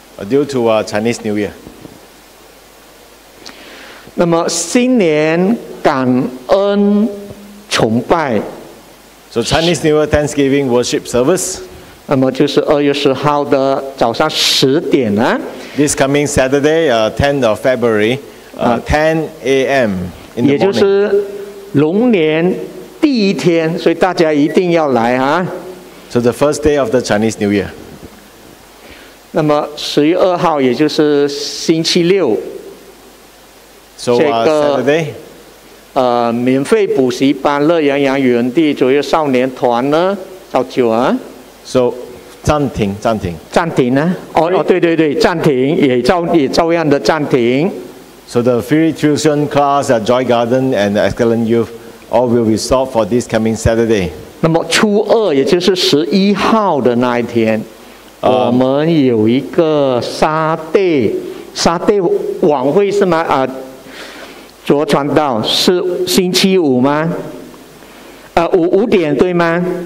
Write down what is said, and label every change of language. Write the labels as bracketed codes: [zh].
[en] Due to Chinese New Year。 [zh] 那么新年感恩崇拜。 [en] So Chinese New Year Thanksgiving Worship Service。 [zh] 那么就是二月十号的早上十点呢、啊。 [en] This coming Saturday, 10th of February, 10 a.m. [zh] 也就是龙年第一天，所以大家一定要来啊。 [en] So the first day of the Chinese New Year. [zh] 那么十月二号，也就是星期六。 [en] So Saturday. [zh] 免费补习班，乐洋洋园地卓越少年团呢，早九啊。 So, 暂停，暂停。暂停呢？对，暂停，也照样的暂停。 [en] So the free tuition class at Joy Garden and Excellent Youth all will be stopped for this coming Saturday. [zh] 那么初二，也就是十一号的那一天，我们有一个沙地晚会是吗？卓传道是星期五吗？五点对吗？